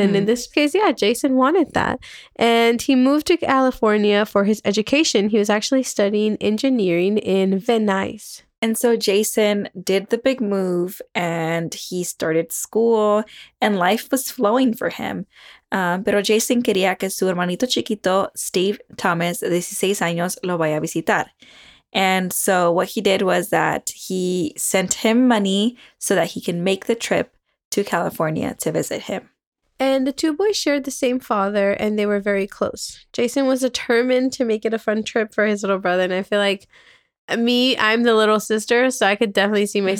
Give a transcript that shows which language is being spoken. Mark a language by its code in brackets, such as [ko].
[en] And in this case, yeah, Jason wanted that. And he moved to California for his education. He was actually studying engineering in Van Nuys. And so Jason did the big move and he started school and life was flowing for him. [es] Pero Jason quería que su hermanito chiquito, Steve Thomas, 16 años, lo vaya a visitar. [en] And so what he did was that he sent him money so that he can make the trip to California to visit him. And the two boys shared the same father and they were very close. Jason was determined to make it a fun trip for his little brother. And I feel like me, I'm the little sister, so I could definitely see my mm-hmm.